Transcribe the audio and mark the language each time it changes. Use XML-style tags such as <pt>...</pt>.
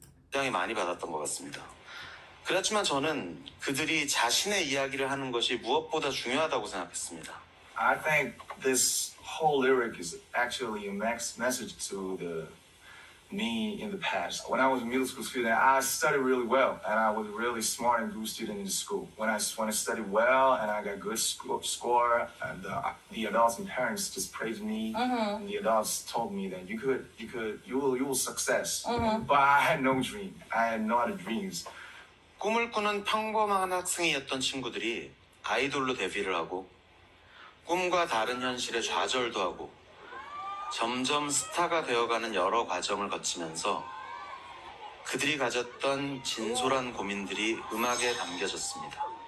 <ko>굉장히 많이 받았던 것 같습니다. 그렇지만 저는 그들이 자신의 이야기를 하는 것이 무엇보다 중요하다고 생각했습니다.</ko> <en>I think this whole lyric is actually a message to the me in the past. When I was a middle school student, I studied really well, and I was really smart and good student in school. When I studied well, and I got good score, and the adults and parents just praised me. Uh-huh. And the adults told me that you will success. Uh-huh. But I had no dream. I had no other dreams.</en> <ko>꿈을 꾸는 평범한 학생이었던 친구들이 아이돌로 데뷔를 하고 꿈과 다른 현실의 좌절도 하고. 점점 스타가 되어가는 여러 과정을 거치면서 그들이 가졌던 진솔한 고민들이 음악에 담겨졌습니다.</ko>